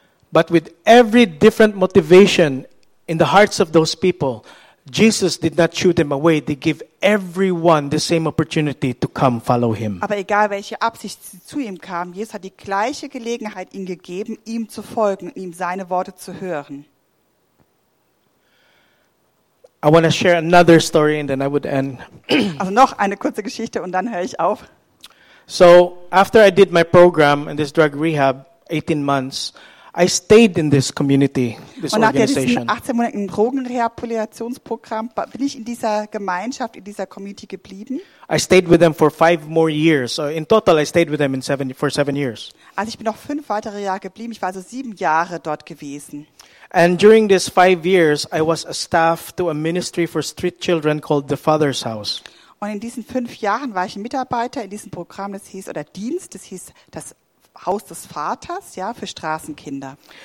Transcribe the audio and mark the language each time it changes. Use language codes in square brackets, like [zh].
[en] But with every different motivation in the hearts of those people, Jesus did not shoo them away. They give everyone the same opportunity to come follow him. [de] Aber egal welche Absicht sie zu ihm kam, Jesus hat die gleiche Gelegenheit ihnen gegeben, ihm zu folgen, ihm seine Worte zu hören. [en] I want to share another story and then I would end. [de] Also noch eine kurze Geschichte und dann höre ich auf. [en] So after I did my program in this drug rehab, 18 months, I stayed in this community, this organization. [de] Und nach 18 Monaten Drogenrehabilitationsprogramm bin ich in dieser Gemeinschaft, in dieser Community geblieben. [en] I stayed with them for 5 more years. So in total, I stayed with them for seven years. [de] Also ich bin noch 5 weitere Jahre geblieben. Ich war also 7 Jahre dort gewesen. [en] And during these 5 years, I was a staff to a ministry for street children called the Father's House. [de] Und in diesen 5 Jahren war ich ein Mitarbeiter in diesem Programm, das hieß, oder Dienst, das hieß das Haus des Vaters, ja, für Straßenkinder.